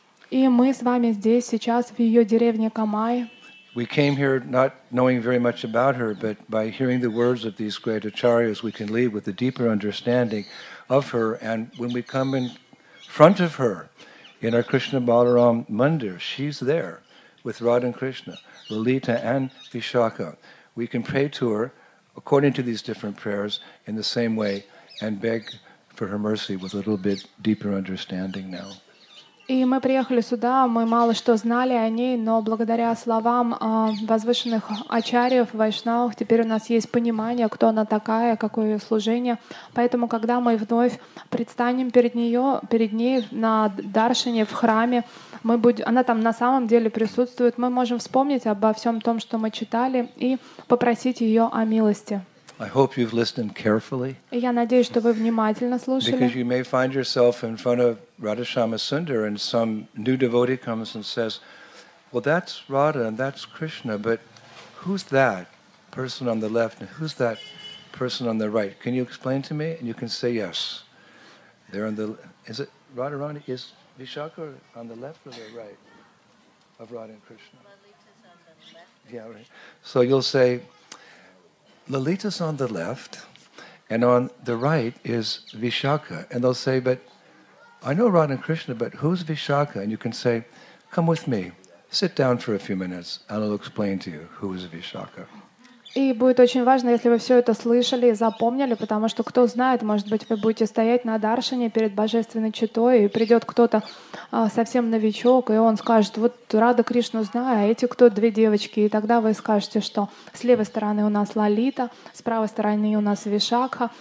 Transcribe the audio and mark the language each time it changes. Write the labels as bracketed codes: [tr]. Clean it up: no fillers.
[ru] И мы с вами здесь сейчас в её деревне Камай. [en] We came here not knowing very much about her, but by hearing the words of these great acharyas, we can leave with a deeper understanding of her. And when we come in front of her in our Krishna Balaram Mandir, she's there with Radha and Krishna, Lalita and Vishakha. We can pray to her according to these different prayers in the same way and beg for her mercy with a little bit deeper understanding now. [ru] И мы приехали сюда, мы мало что знали о ней, но благодаря словам возвышенных ачарьев, вайшнавов, теперь у нас есть понимание, кто она такая, какое ее служение. Поэтому, когда мы вновь предстанем перед ней на даршане в храме, она там на самом деле присутствует, мы можем вспомнить обо всем том, что мы читали, и попросить ее о милости. [en] I hope you've listened carefully. [ru] Я надеюсь, что вы внимательно слушали. [en] Because you may find yourself in front of Radha Shama Sundar and some new devotee comes and says, well, that's Radha and that's Krishna, but who's that person on the left and who's that person on the right? Can you explain to me? And you can say yes. They're on the is it Radha Rani? Is Vishakha on the left or the right of Radha and Krishna? Lalita's on the left. Yeah, right. So you'll say, Lalita's on the left, and on the right is Vishakha. And they'll say, but I know Radha and Krishna, but who's Vishakha? And you can say, come with me, sit down for a few minutes, and I'll explain to you who is Vishakha. [ru] И будет очень важно, если вы все это слышали и запомнили, потому что кто знает, может быть, вы будете стоять на даршане перед божественной читой, и придет кто-то совсем новичок, и он скажет, вот Рада Кришну знаю, а эти кто, две девочки? И тогда вы скажете, что с левой стороны у нас Лалита, с правой стороны у нас Вишакха.